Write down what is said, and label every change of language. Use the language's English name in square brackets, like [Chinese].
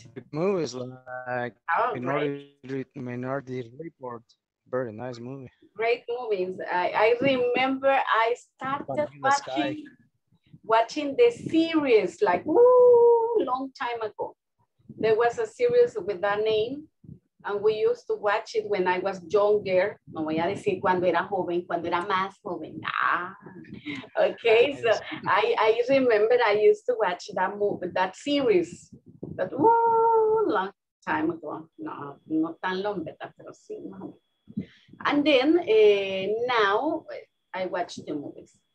[English] The movies like Minority Report. Very nice movie. Great movies. I remember I started watching the series like long time ago. There was a series with that name and we used to watch it when I was younger. [Spanish] No voy a decir cuando era joven, cuando era más joven. Ah. [English] Okay, so I remember I used to watch that movie, that series. But long time ago, not [Spanish] tan [English] long, but [Spanish] pero sí. [English] And then now I watch the movies.